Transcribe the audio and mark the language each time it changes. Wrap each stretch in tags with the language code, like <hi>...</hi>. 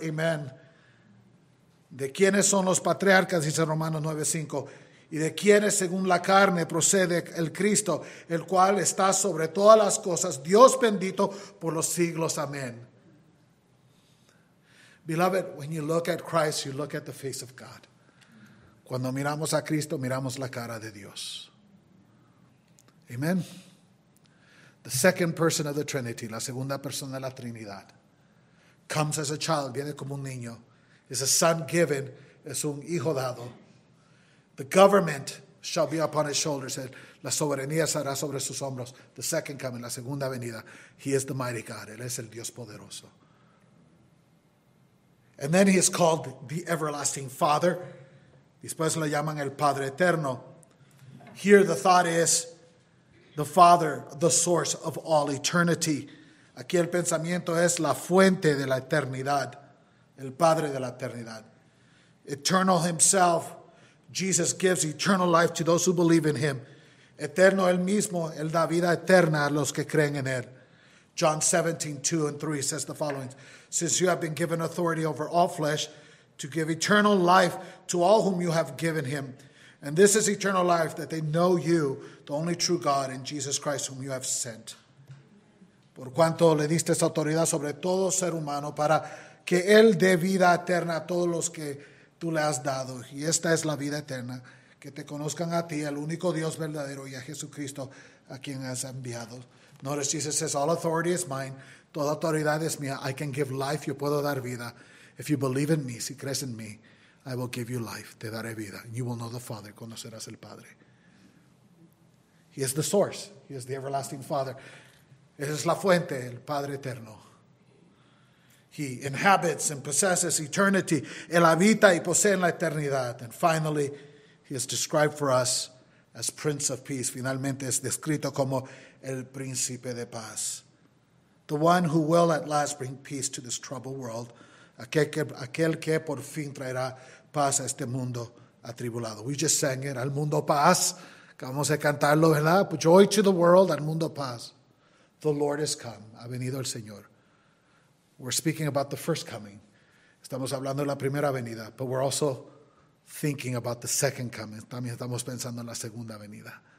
<en>Amen.</en> <es>¿De quiénes son los patriarcas? Dice Romanos 9:5. ¿Y de quiénes, según la carne, procede el Cristo, el cual está sobre todas las cosas, Dios bendito por los siglos.</es> <en>Amen. Beloved, when you look at Christ, you look at the face of God.</en> <es>Cuando miramos a Cristo, miramos la cara de Dios.</es> <en>Amen. The second person of the Trinity,</en> <es>la segunda persona de la Trinidad,</es> <en>comes as a child,</en> <es>viene como un niño,</es> <en>is a son given,</en> <es>es un hijo dado.</es> <en>The government shall be upon his shoulders,</en> <es>la soberanía será sobre sus hombros.</es> <en>The second coming,</en> <es>la segunda venida,</es> <en>he is the mighty God,</en> <es>él es el Dios poderoso.</es> <en>And then he is called the everlasting Father.</en> <es>Después lo llaman el Padre Eterno.</es> <en>Here the thought is, the Father, the source of all eternity.</en> <es>Aquí el pensamiento es la fuente de la eternidad. El Padre de la eternidad.</es> <en>Eternal himself. Jesus gives eternal life to those who believe in him.</en> <es>Eterno él mismo, él da vida eterna a los que creen en él.</es> <en>John 17:2-3 says the following. Since you have been given authority over all flesh to give eternal life to all whom you have given him. And this is eternal life, that they know you, the only true God, and Jesus Christ, whom you have sent.</en> <es>Por cuanto le diste esa autoridad sobre todo ser humano, para que él dé vida eterna a todos los que tú le has dado. Y esta es la vida eterna, que te conozcan a ti, el único Dios verdadero, y a Jesucristo, a quien has enviado.</es> <en>Notice Jesus says, all authority is mine.</en> <es>Toda autoridad es mía.</es> <en>I can give life.</en> <es>Yo puedo dar vida.</es> <en>If you believe in me,</en> <es>si crees en mí,</es> <en>I will give you life,</en> <es>te daré vida.</es> <en>You will know the Father,</en> <es>conocerás el Padre.</es> <en>He is the source, he is the everlasting Father.</en> <es>Esa es la fuente, el Padre Eterno.</es> <en>He inhabits and possesses eternity.</en> <es>Él habita y posee en la eternidad.</es> <en>And finally, he is described for us as Prince of Peace.</en> <es>Finalmente es descrito como el Príncipe de Paz.</es> <en>The one who will at last bring peace to this troubled world.</en> <es>Aquel que por fin traerá paz a este mundo atribulado.</es> <en>We just sang it,</en> <es>al mundo paz. Vamos a cantarlo, ¿verdad?</es> <en>Joy to the world,</en> <es>al mundo paz.</es> <en>The Lord has come,</en> <es>ha venido el Señor.</es> <en>We're speaking about the first coming.</en> <es>Estamos hablando de la primera venida,</es> <en>but we're also thinking about the second coming.</en> <es>También estamos pensando en la segunda venida.</es>